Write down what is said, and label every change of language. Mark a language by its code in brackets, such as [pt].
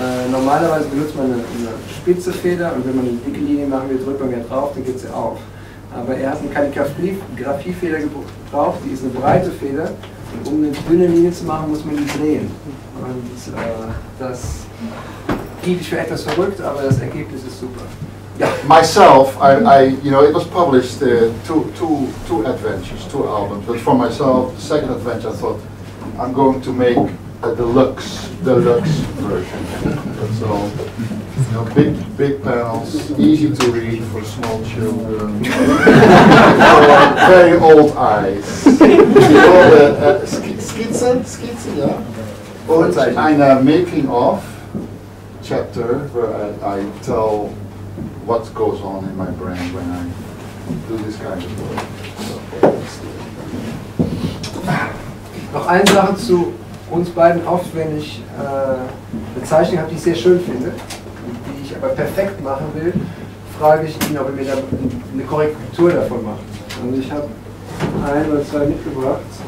[de] Normalerweise benutzt man eine spitze Feder, und wenn man eine dicke Linie machen will, drückt man ja drauf, dann geht sie auf. Aber er hat eine Kalligrafiefeder drauf, die ist eine breite Feder. Und um eine dünne Linie zu machen, muss man die drehen. Und das hielt ich für etwas verrückt, aber das Ergebnis ist super. Yeah. [en] Myself, I, you know, it was published two adventures, two albums. But for myself, the second adventure, I thought I'm going to make a deluxe version. That's all. You know, big panels, easy to read for small children, for very old eyes. [de] Skizzen, yeah. [en] Old and a making of chapter where I tell what goes on in my brain when I do this kind of work. [de] Noch eine Sache zu uns beiden, oft wenn ich eine Zeichnung habe, die ich sehr schön finde, die ich aber perfekt machen will, frage ich ihn, ob er mir da eine Korrektur davon macht. Und ich habe ein oder zwei mitgebracht.